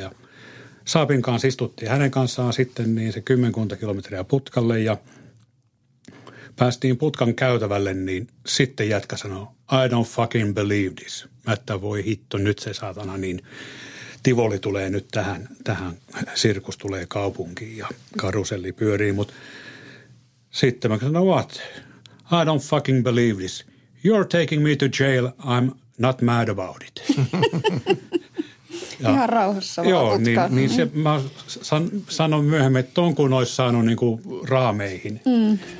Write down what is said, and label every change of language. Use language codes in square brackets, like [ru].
[fi] Ja Saabin kanssa istuttiin hänen kanssaan sitten niin se 10 kilometriä putkalle ja päästiin putkan käytävälle, niin sitten jätkä sanoi, [en] I don't fucking believe this. [fi] Mä että voi hitto, nyt se saatana, niin tivoli tulee nyt tähän sirkus tulee kaupunkiin ja karuselli pyörii. Mutta sitten mä sanoin, [en] what? I don't fucking believe this. You're taking me to jail, I'm not mad about it. [fi] Ja, ihan rauhassa vaan joo, niin se mä sanon myöhemmin, että ton kun olisi saanut niin kuin raameihin. Mm.